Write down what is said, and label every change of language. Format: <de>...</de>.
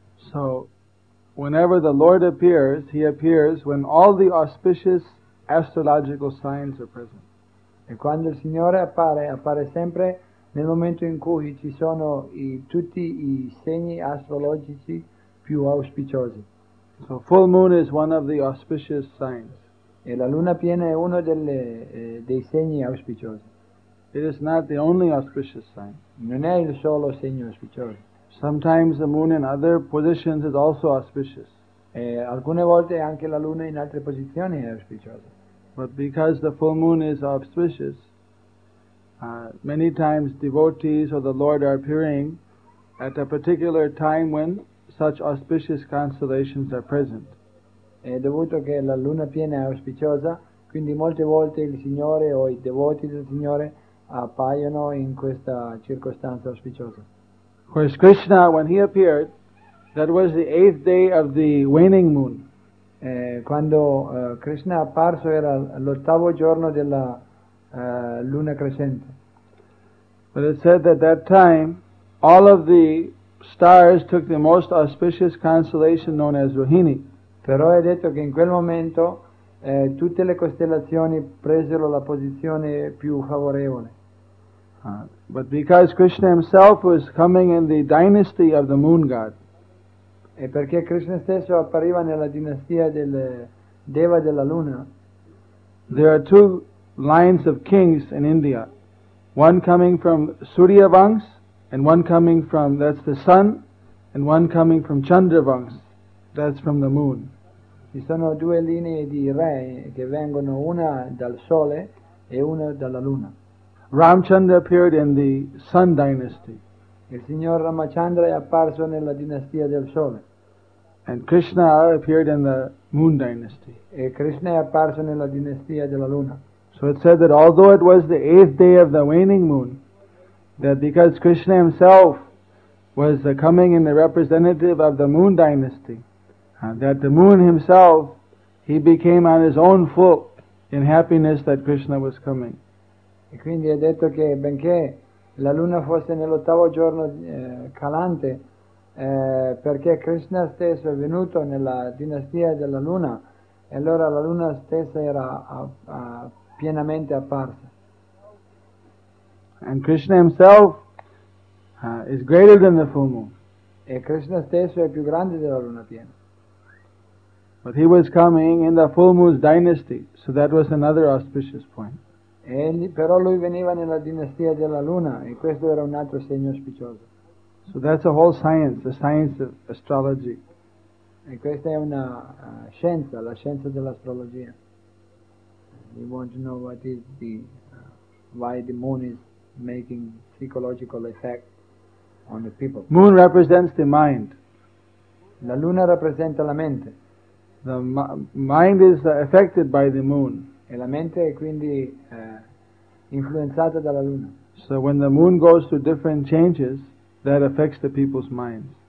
<en>So whenever the Lord appears, he appears when all the auspicious astrological signs are present.</en> <it>E quando il Signore appare, appare sempre nel momento in cui ci sono tutti i segni astrologici più auspiciosi.</it> <en>So full moon is one of the auspicious signs.</en> <it>E la luna piena è uno dei segni auspiciosi.</it> <en>It is not the only auspicious sign.</en> <it>Non è il solo segno auspicioso.</it> <en>Sometimes the moon in other positions is also auspicious.</en> <it>E alcune volte anche la luna in altre posizioni è auspiciosa.</it> <en>But because the full moon is auspicious, many times devotees or the Lord are appearing at a particular time when such auspicious constellations are present.</en> <it>È dovuto che la luna piena è auspiciosa, quindi molte volte il Signore o i devoti del Signore appaiono in questa circostanza auspiciosa.</it> <en>Whereas Krishna, when he appeared, That was the eighth day of the waning moon.</en> <it>Quando Krishna apparso era l'ottavo giorno della luna crescente.</it> <en>But it said that at that time all of the stars took the most auspicious constellation known as Rohini.</en> <it>Però è detto che in quel momento tutte le costellazioni presero la posizione più favorevole.</it> <en>But because Krishna himself was coming in the dynasty of the moon god.</en> <it>E perché Krishna stesso appariva nella dinastia del Deva della Luna.</it> <en>There are two lines of kings in India. One coming from Surya Vangs, and one coming from, that's the sun, and one coming from Chandra Vangs, that's from the moon.</en> <it>Ci sono due linee di re che vengono, una dal sole e una dalla luna.</it> <en>Ramchandra appeared in the sun dynasty.</en> <it>Il signor Ramachandra è apparso nella dinastia del sole.</it> <en>And Krishna appeared in the moon dynasty.</en> <it>E Krishna è apparso nella dinastia della luna.</it> <en>So it said that although it was the eighth day of the waning moon, that because Krishna himself was the coming in the representative of the moon dynasty, that the moon himself, he became on his own foot in happiness that Krishna was coming.</en> <it>E quindi è detto che benché la luna fosse nell'ottavo giorno calante, perché Krishna stesso è venuto nella dinastia della luna, e allora la luna stessa era pienamente apparsa.</it> <en>And Krishna himself is greater than the full moon.</en> <it>E Krishna stesso è più grande della luna piena.</it> <en>But he was coming in the full moon's dynasty, so that was another auspicious point.</en> <it>Egli, però lui veniva nella dinastia della luna e questo era un altro segno auspicioso.</it> <en>So that's a whole science, the science of astrology.</en> <it>E questa è una scienza, la scienza dell'astrologia.</it> <en>You want to know what is the why the moon is making psychological effect on the people. Moon represents the mind.</en> <it>La luna rappresenta la mente.</it> <en>The mind is affected by the moon.</en> <it>E la mente è quindi influenzata dalla luna.</it> <en>So when the moon goes through different changes, that affects the people's minds.</en>